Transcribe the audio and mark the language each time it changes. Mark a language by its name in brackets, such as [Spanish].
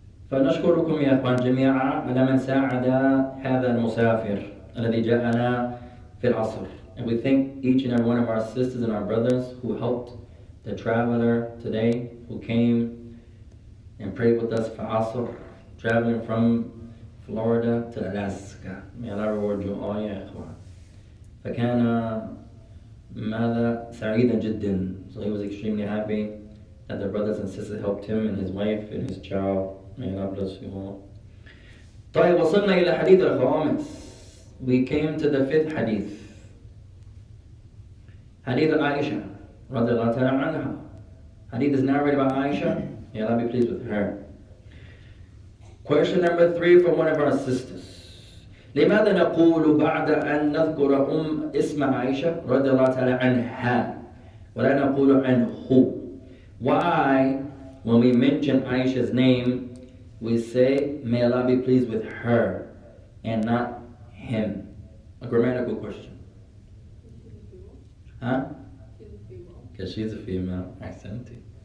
[Arabic] فنشكركم يا أخوان جميعا على من ساعد هذا المسافر الذي جاءنا في العصر. [English] And we thank each and every one of our sisters and our brothers who helped the traveler today, who came and prayed with us for Asr, traveling from Florida to Alaska. May Allah reward you all, [Arabic] يا أخوان. فكان ماذا سعيدا جدا. [English] So he was extremely happy that the brothers and sisters helped him and his wife and his child. May Allah bless you all. [Arabic] طيب وصلنا إلى حديث الخامس. [English] We came to the fifth hadith. Hadith Aisha [Arabic] رضي الله تعالى عنها. [English] Hadith is narrated by Aisha. May Allah be pleased with her. Question number 3 from one of our sisters. [Arabic] لماذا نقول بعد أن نذكر اسم عائشة رضي الله تعالى عنها ولا نقول عنه. [English] Why, when we mention Aisha's name, we say, may Allah be pleased with her, and not him? A grammatical question. Huh? Because she's a female. Accenting.